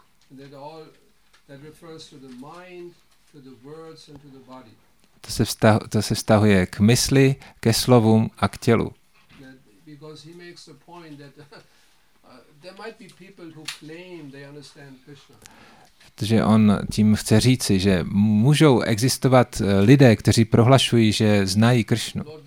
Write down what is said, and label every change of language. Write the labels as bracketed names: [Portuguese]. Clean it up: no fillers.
[English] And that all that refers to the mind, to the words, and to the body. [Czech] To se vztahuje k mysli, ke slovům a k tělu. [English] That because he makes the point that there might be people who claim they understand Krishna. [Czech] Protože on tím chce říci, že můžou existovat lidé, kteří prohlašují, že znají Kršnu.